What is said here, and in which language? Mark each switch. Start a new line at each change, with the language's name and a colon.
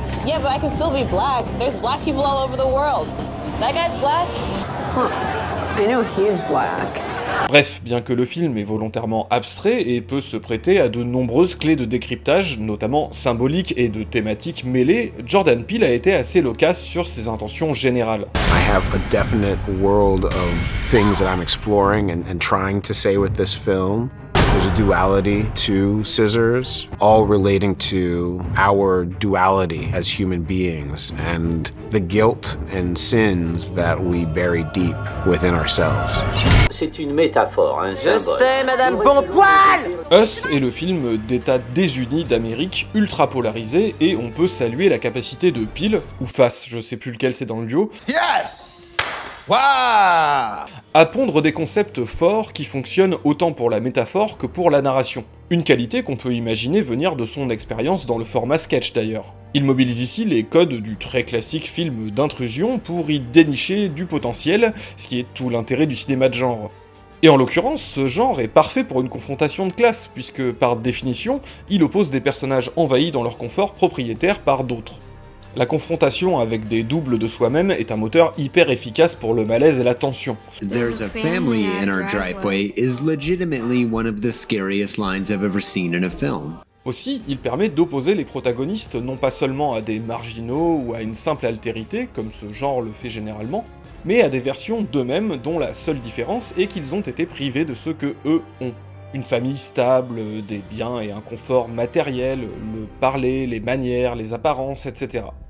English: Yeah, but I can still be black. There's black people all over the world. That guy's black. Huh. I know he's black.
French: Bref, bien que le film est volontairement abstrait et peut se prêter à de nombreuses clés de décryptage, notamment symboliques et de thématiques mêlées, Jordan Peele a été assez loquace sur ses intentions générales.
English: I have a definite world of things that I'm exploring and trying to say with this film. There's a duality to scissors, all relating to our duality as human beings and the guilt and sins that we bury deep within ourselves.
French: C'est une métaphore, un symbole. Je sais, Madame Bonpoil ! Us est le film d'État désuni d'Amérique ultra polarisé et on peut saluer la capacité de Peele, ou Face, je sais plus lequel c'est dans le duo.
English: Yes! Wow!
French: À pondre des concepts forts qui fonctionnent autant pour la métaphore que pour la narration. Une qualité qu'on peut imaginer venir de son expérience dans le format sketch d'ailleurs. Il mobilise ici les codes du très classique film d'intrusion pour y dénicher du potentiel, ce qui est tout l'intérêt du cinéma de genre. Et en l'occurrence, ce genre est parfait pour une confrontation de classe, puisque par définition, il oppose des personnages envahis dans leur confort propriétaire par d'autres. La confrontation avec des doubles de soi-même est un moteur hyper efficace pour le malaise et la tension.
English: There's a family in our driveway is legitimately one of the scariest lines I've ever seen in a film.
French: Aussi, il permet d'opposer les protagonistes non pas seulement à des marginaux ou à une simple altérité, comme ce genre le fait généralement, mais à des versions d'eux-mêmes dont la seule différence est qu'ils ont été privés de ce que eux ont. Une famille stable, des biens et un confort matériel, le parler, les manières, les apparences, etc.